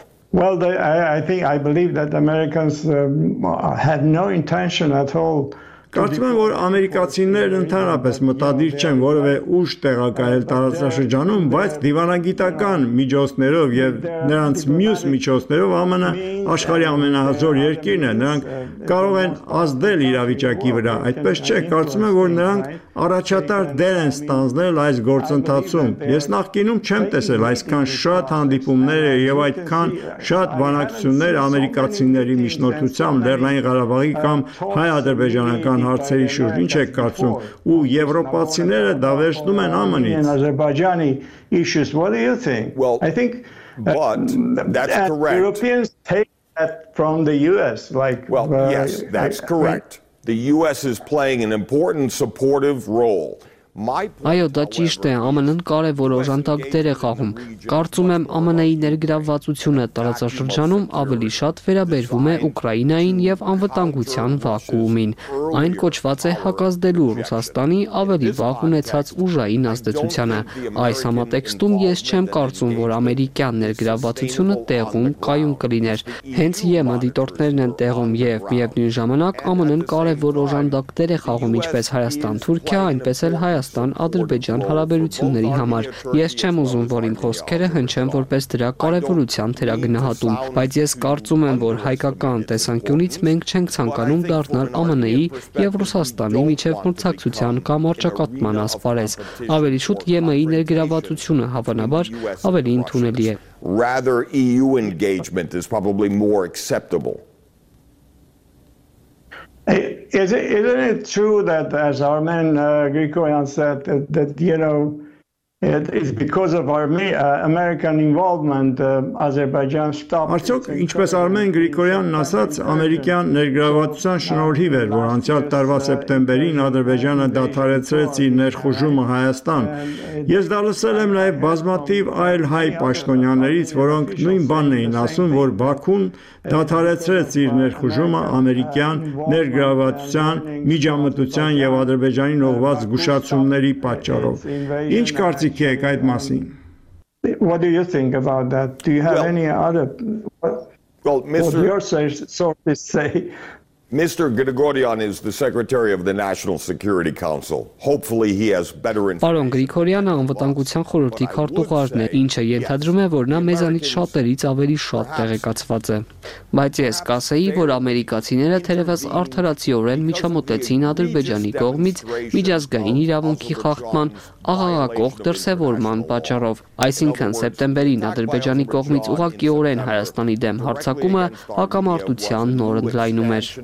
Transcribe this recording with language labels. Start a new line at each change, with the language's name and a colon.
English: Well, I believe that Americans had no intention at all.
Armenian: Կարծում եմ, որ ամերիկացիներն ընդհանրապես մտադիր չեն որևէ ուժ տեղակայել տարածաշրջանում, բայց դիվանագիտական միջոցներով եւ նրանց մյուս միջոցներով ԱՄՆ-ը աշխարհի ամենահզոր երկիրն է, նրանք կարող են ազդել իրավիճակի վրա, այդպես չէ, կարծում եմ, որ նրանք առաջատար դեր են ստանձնել այս գործընթացում։ Ես նախկինում չեմ տեսել այսքան շատ հանդիպումներ եւ այդքան շատ բանակցություններ ամերիկացիների միջնորդությամբ Լեռնային Ղարաբաղի կամ Հայ-Ադրբեջանի կան հարցերի շուրջ, ի՞նչ եք կարծում, ու եվրոպացիները դա վերցնում են ԱՄՆ-ից։
English: Ադրբեջանի issues, what do you think? Well, I think but that's correct. Europeans take that from the US, like Well, yes, that's correct. The US is playing an important supportive role.
Armenian: Այո, դա ճիշտ է, ԱՄՆ-ն կարևոր օժանդակ դեր է խաղում։ Կարծում եմ, ԱՄՆ-ի ներգրավվածությունը տարածաշրջանում ավելի շատ վերաբերվում է Ուկրաինային եւ անվտանգության վակուումին։ Այն կոչված է հակազդելու Ռուսաստանի ավելի վաղ ունեցած ուժային ազդեցությանը։ Այս համատեքստում ես չեմ կարծում, որ ամերիկյան ներգրավվածությունը տեղում կայուն կլիներ։ Հենց ԵՄ-ը դիտորդներն են տեղում եւ միևնույն ժամանակ ԱՄՆ-ն կարևոր օժանդակ դեր է խաղում, ինչպես Հայաստան-Թուրքիա, այնպես էլ Հայաստան-Ադրբեջան հարաբերությունների համար։ Ես չեմ ուզում, որ իմ խոսքերը հնչեն որպես դրա կարևորության թերագնահատում, բայց ես կարծում եմ, որ հայկական տեսանկյունից մենք չենք ցանկանում դառնալ ԱՄՆ-ի եւ Ռուսաստանի միջև մրցակցության կամ արճակատման ասպարեզ։ Ավելի շուտ ԵՄ-ի ներգրավվածությունը հավանաբար ավելի ընդունելի է։
English: Rather EU engagement is probably more acceptable. Isn't it true that, as Armen Grigoryan said, that it is because of American involvement Azerbaijan stopped.
Armenian: Արդյոք ինչպես Արմեն Գրիգորյանն ասաց, ամերիկյան ներգրավվածության շնորհիվ էր, որ անցյալ տարվա սեպտեմբերին Ադրբեջանը դադարեցրեց իր ներխուժումը Հայաստան։ Ես դա լսել եմ նաև բազմաթիվ այլ հայ պաշտոնյաներից, որոնք նույն բանն էին ասում, որ Բաքուն դադարեցրեց իր ներխուժումը ամերիկյան ներգրավվածության միջամտության եւ Ադրբեջանի ուղղված զգուշացումների պատճառով։ Ինչ Ձիք եք այդ մասին։
English: What do you think about that? Do you have any other Well, Mr. Yourself, so to say. Mr. Grigoryan is the Secretary of the National Security Council. Hopefully he has better information.
Armenian: Պարոն Գրիգորյանը անվտանգության խորհրդի քարտուղարն է, ինչը ենթադրում է, որ նա մեզանից շատերից ավելի շատ տեղեկացված է։ Բայց ես կասեի, որ ամերիկացիները թերևս արդարացիորեն միջամտեցին Ադրբեջանի կողմից միջազգային իրավունքի խախտման աղաղակող դրսևորման պատճառով, այսինքն սեպտեմբերին Ադրբեջանի կողմից ուղղակիորեն Հայաստանի դեմ հարձակումը հակամարտության նոր ընդլայնում էր։